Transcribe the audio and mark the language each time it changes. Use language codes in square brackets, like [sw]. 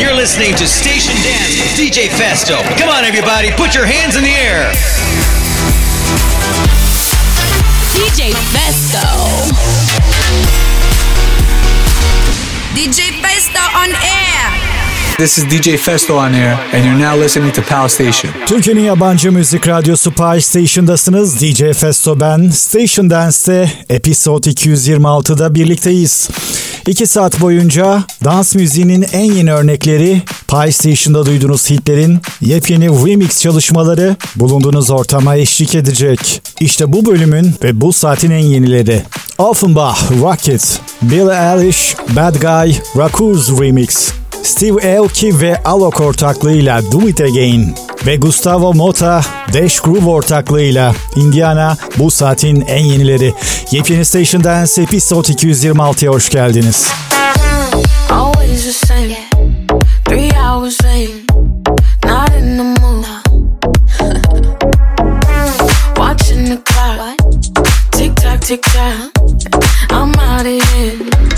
[en] You're listening to Station Dance with DJ Festo. Come on, everybody, put your hands in the air. DJ Festo. DJ Festo on air. This is DJ Festo on air and you're now listening to Pal Station. [tr] Türkiye'nin yabancı müzik radyosu Pal Station'dasınız. DJ Festo ben. Station Dance'de episode 226'da birlikteyiz. 2 saat boyunca dans müziğinin en yeni örnekleri, Pal Station'da duyduğunuz hitlerin yepyeni remix çalışmaları bulunduğunuz ortama eşlik edecek. İşte bu bölümün ve bu saatin en yenileri. Offenbach, Rocket, Billie Eilish, Bad Guy, Raccoons Remix, Steve Aoki ve Alok ortaklığıyla Do It Again ve Gustavo Mota, Dash Groove ortaklığıyla Indiana bu saatin en yenileri. Yepyeni Station Dance Episode 226'ya hoş geldiniz. [en] Always the same, three hours late, not in the mood. Watching the clock, tick tock, tick tock, I'm out of here.